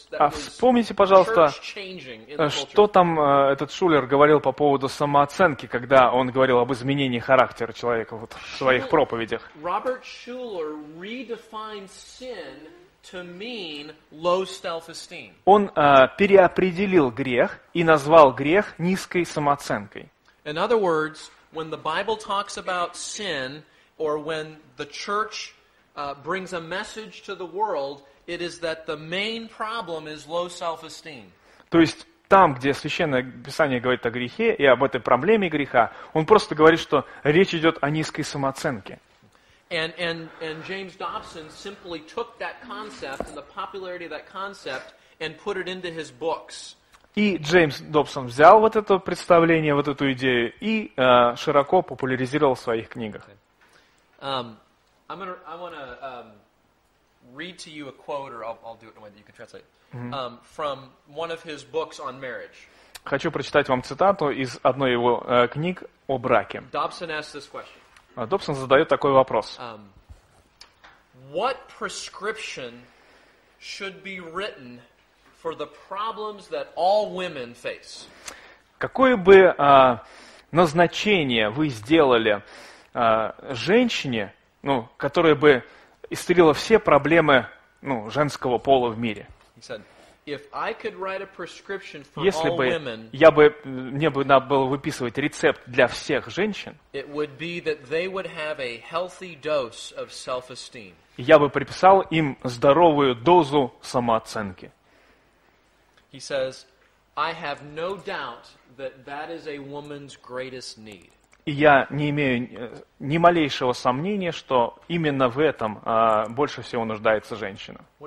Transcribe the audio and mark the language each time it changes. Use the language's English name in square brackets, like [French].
[Russian] Вспомните, пожалуйста, что там этот Шулер говорил по поводу самооценки, когда он говорил об изменении характера человека вот, в своих проповедях. [English] Роберт Шулер redefined sin to mean low self-esteem. [Russian] Он переопределил грех и назвал грех низкой самооценкой. [English] In other words, when the Bible talks about sin, or when the church brings a message to the world, it is that the main problem is low self-esteem. [Russian] То есть там, где Священное Писание говорит о грехе и об этой проблеме греха, он просто говорит, что речь идет о низкой самооценке. [English] And James Dobson simply took that concept and the popularity of that concept and put it into his books. [Russian] И Джеймс Добсон взял вот это представление, вот эту идею и широко популяризировал в своих книгах. [English] I want to read to you a quote, or I'll do it in a way that you can translate. From one of his books on marriage. [Russian] Хочу прочитать вам цитату из одной его книг о браке. [English] Dobson asks this question. [Russian] Dobson задает такой вопрос. [English] What prescription should be written for the problems that all women face? [Russian] Какое бы назначение вы сделали женщине, ну, которая бы исцелила все проблемы, ну, женского пола в мире. Если бы мне бы надо было выписывать рецепт для всех женщин, я бы приписал им здоровую дозу самооценки. [English] He says, I have no doubt that that is a woman's greatest need. [Russian] И я не имею ни малейшего сомнения, что именно в этом больше всего нуждается женщина.